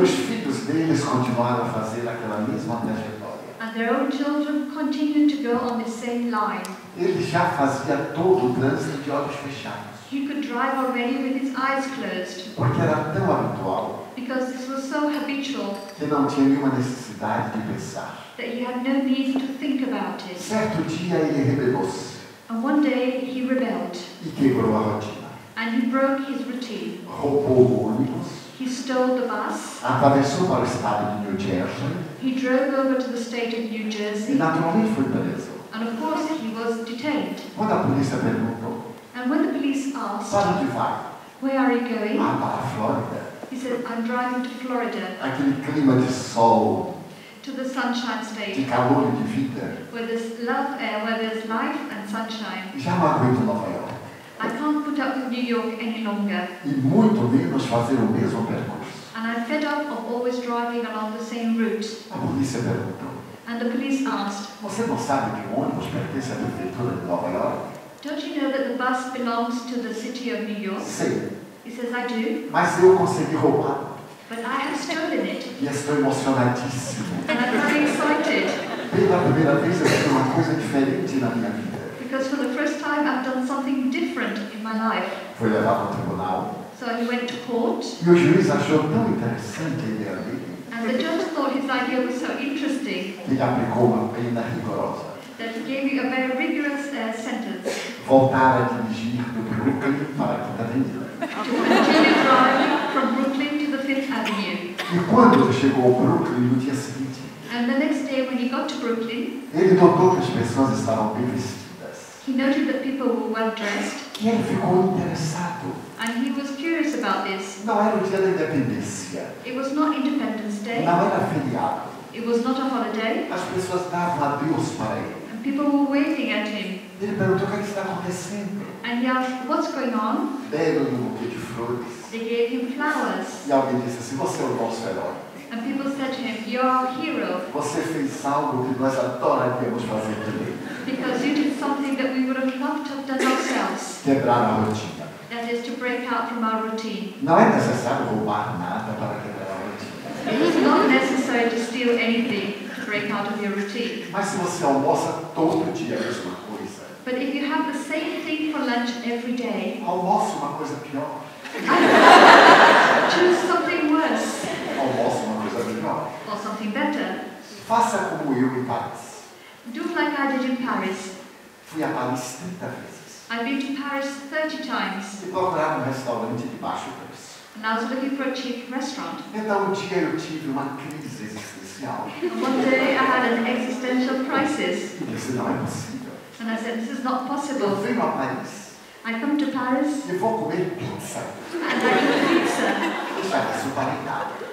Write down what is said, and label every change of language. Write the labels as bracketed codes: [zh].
[pt] E os filhos deles continuaram a fazer aquela mesma trajetória. [en] And their own children continued to go on the same line. [pt] Ele já fazia todo o trânsito de olhos fechados. [en] He could drive already with his eyes closed. [pt] Porque era tão habitual. [en] Because this was so habitual. [pt] Que não tinha nenhuma necessidade de pensar. [en] That he had no need to think about it. [pt] Certo dia ele rebelou-se. [en] And one day he rebelled. [pt] E quebrou a rotina. [en] And he broke his routine. [pt] Roubou o ônibus. [en] He stole the bus. [pt] Atravessou para o estado de New Jersey. [en] He drove over to the state of New Jersey. [pt] E naturalmente foi preso. [en] And of course he was detained. [pt] Quando a polícia perguntou. [en] And when the police asked, where are you going? [pt] Ah, para a Florida. [en] He said, I'm driving to Florida. [pt] Aquele clima de sol. [en] To the sunshine state. [pt] De calor e de vida. [en] Where there's love, where there's life and sunshine. [pt] Já não aguento Nova York. [en] I can't put up with New York any longer. [pt] E muito menos fazer o mesmo percurso. [en] And I'm fed up of always driving along the same route. [pt] La polizia perguntou. [en] And the police asked. [pt] Você não sabe que o ônibus pertence à prefeitura de Nova York? [en] Don't you know that the bus belongs to the city of New York? [pt] Sim. [en] He says, I do. [pt] Mas eu consegui roubar. [en] But I have stolen it. [pt] E estou emocionadíssimo. [en] And I'm very excited. [pt] Pela primeira vez eu fiz uma coisa diferente na minha vida. [en] Because for the first time I've done something different in my life. [pt] Foi levar para o tribunal. [en] So he went to court. [pt] E o juiz achou tão interessante a ideia dele. [en] And the judge thought his idea was so interesting. [pt] Ele aplicou uma pena rigorosa. [en] That he gave me a very rigorous sentence. [pt] Voltar a dirigir do Brooklyn para a Quinta Avenida. [en] To continue driving from Brooklyn to the Fifth Avenue. [pt] E quando ele chegou ao Brooklyn no dia seguinte? [en] And the next day when he got to Brooklyn. [pt] Ele notou que as pessoas estavam bem vestidas. [en] He noted that people were well dressed. [pt] E ele ficou interessado. [en] And he was curious about this. [pt] Não era o dia da independência. [en] It was not Independence Day. [pt] Não era feriado. [en] It was not a holiday. [pt] As pessoas davam adeus para ele. [en] And people were waving at him. [pt] Ele perguntou o que está acontecendo. [en] And he asked, what's going on? [pt] Deram um buquê de flores. [en] They gave him flowers. [pt] E alguém disse assim, você é o nosso herói. [en] And people said to him, you're our hero. [pt] Você fez algo que nós adoraríamos fazer também. [en] Because you did something that we would have loved to have done ourselves. [pt] Quebrar a rotina. [en] That is to break out from our routine. [pt] Não é necessário roubar nada para quebrar a rotina. [en] It is not necessary to steal anything to break out of your routine. [pt] Mas se você almoça todo dia a mesma coisa. [en] But if you have the same thing for lunch every day. [pt] Almoça uma coisa pior. [en] Choose something worse. [pt] Almoça uma coisa melhor. [en] Or something better. [pt] Faça como eu em Paris. [en] Do like I did in Paris. [pt] Fui a Paris 30 vezes. [en] I've been to Paris 30 times. [pt] E procurava um restaurante de baixo preço. [en] And I was looking for a cheap restaurant. [pt] Então um dia eu tive uma crise existencial. [en] One day I had an existential crisis. [pt] E disse, não é possível. [en] And I said, this is not possible. [pt] Eu vim a Paris. [en] I come to Paris. [pt] E vou comer pizza. [en] And I eat pizza. [pt] Isso para Itália.